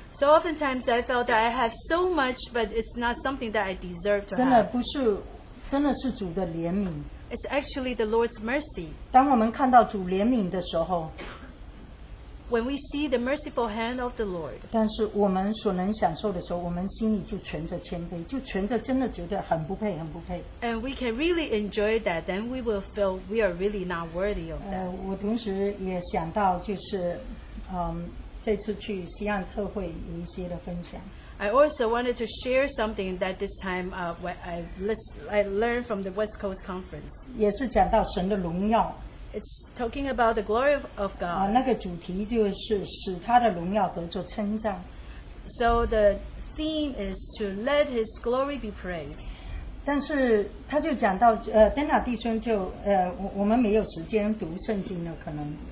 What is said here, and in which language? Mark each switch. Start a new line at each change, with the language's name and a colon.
English: So oftentimes I felt that I have so much, but it's not something that I deserve to have.
Chinese: 真的不是, 真的是主的怜悯。
English: It's actually the Lord's mercy.
Chinese: 当我们看到主怜悯的时候,
English: when we see the merciful hand of the Lord,
Chinese: 但是我们所能享受的时候, 我们心里就存着谦卑, 就存着真的觉得很不配, 很不配。
English: And we can really enjoy that, then we will feel we are really not worthy of that.
Chinese: 我同时也想到就是, 这次去西岸特会有一些的分享。
English: I also wanted to share something that this time I learned from the West Coast Conference.
Chinese: 也是讲到神的荣耀。
English: It's talking about the glory of God.
Chinese: 那个主题就是使他的荣耀得着称赞。
English: So the theme is to let his glory be praised.
Chinese: 但是他就讲到, Dana弟兄就, 我们没有时间读圣经了可能。